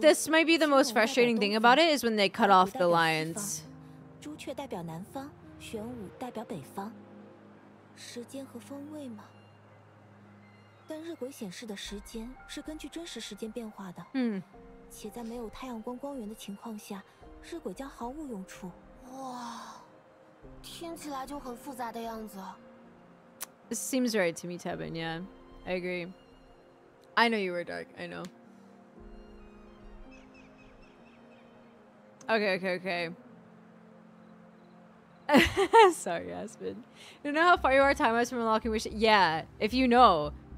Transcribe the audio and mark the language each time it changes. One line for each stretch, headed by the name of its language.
English: this might be the most frustrating thing about it is when they cut off the lions.
Chinese: 朱雀代表南方，玄武代表北方。时间和方位吗？但日晷显示的时间是根据真实时间变化的。嗯。且在没有太阳光光源的情况下，日晷将毫无用处。哇，听起来就很复杂的样子。
English: Seems right to me, Tevin. Yeah, I agree. I know you were dark. I know. Okay. Sorry, Aspen. You know how far you are time-wise from unlocking wish? Yeah, if you know.